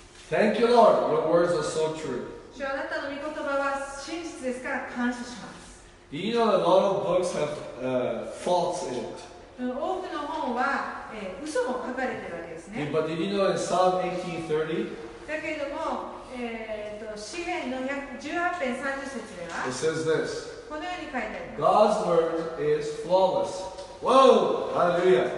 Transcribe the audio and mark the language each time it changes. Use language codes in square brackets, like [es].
[en] Thank you Lord, your words are so true. [ja] 主、あなたの御言葉は真実ですから感謝します。 [en] Do you know a lot of books have faults in it? [ja] 多くの本は、嘘も書かれてるわけですね。 [en] Yeah, but did you know in Psalm 18:30? [ja] だけども、詩編の18編30節では [en] It says this. [ja] このように書いてあります。 [en] God's word is flawless. Whoa! Hallelujah!